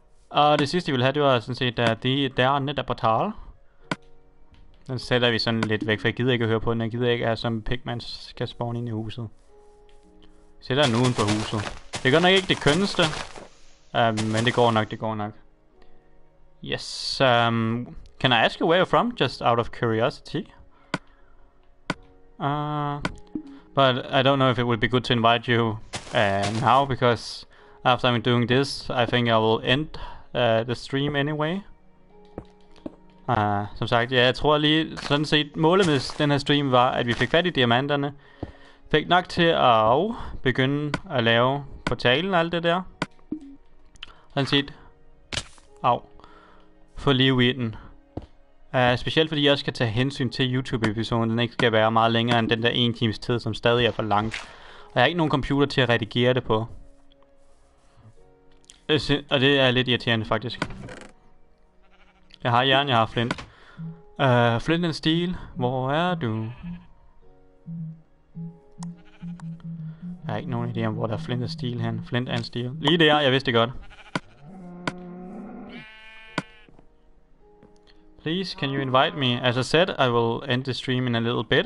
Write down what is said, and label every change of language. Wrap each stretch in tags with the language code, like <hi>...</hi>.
<da>Og det sidste, vi ville have, det var sådan set, at de der er netop portal. Den sætter vi sådan lidt væk, for jeg gider ikke at høre på den. Jeg gider ikke, at som Pigman skal spawne ind i huset. Sætter den uden for huset. Det går nok ikke det kønneste. Men det går nok, det går nok.</da> <en>Yes, can I ask you where you're from, just out of curiosity? But I don't know if it would be good to invite you now, because after I'm doing this, I think I will end the stream anyway.</en> <da>Som sagt, ja, jeg tror lige sådan set, målet med den her stream var, at vi fik fat i diamanterne. Fik nok til at begynde at lave portalen og alt det der. Sådan set. Få liv i den. Specielt fordi jeg også skal tage hensyn til YouTube-episoden, den ikke skal være meget længere end den der en times tid, som stadig er for lang. Og jeg har ikke nogen computer til at redigere det på. Og det er lidt irriterende faktisk. Jeg har jern, jeg har flint. Flint and Steel, hvor er du? Jeg har ikke nogen idé om, hvor der er flint and steel hen. Flint and steel. Lige der, jeg vidste det godt.</da> <en>Please, can you invite me? As I said, I will end the stream in a little bit.</en>